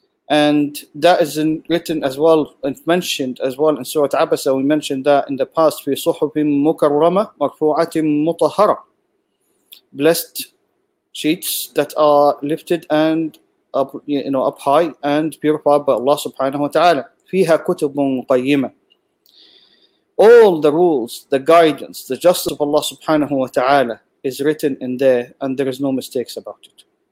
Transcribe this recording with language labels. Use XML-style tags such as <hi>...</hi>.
<en>And that is in, written as well and mentioned as well in Surah Abasa. We mentioned that in the past,</en> <ar>في صحف مكرمة مرفوعة مطهرة.</ar> <en>Blessed sheets that are lifted and up, you know, up high and purified by Allah subhanahu wa ta'ala.</en> <ar>فيها كتب قيمة.</ar> <en>All the rules, the guidance, the justice of Allah subhanahu wa ta'ala is written in there, and there is no mistakes about it.</en>